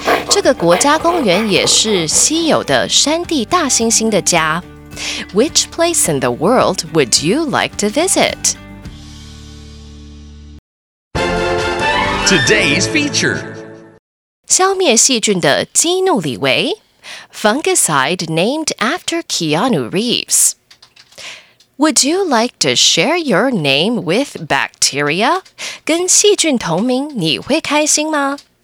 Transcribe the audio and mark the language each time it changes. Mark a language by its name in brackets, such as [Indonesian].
[Chinese] 这个国家公园也是稀有的山地大猩猩的家。 [English] Which place in the world would you like to visit? Today's feature. [Chinese] 消滅細菌的基努李維 [English] Fungicide named after Keanu Reeves. Would you like to share your name with bacteria? [Chinese] 跟細菌同名你會開心嗎?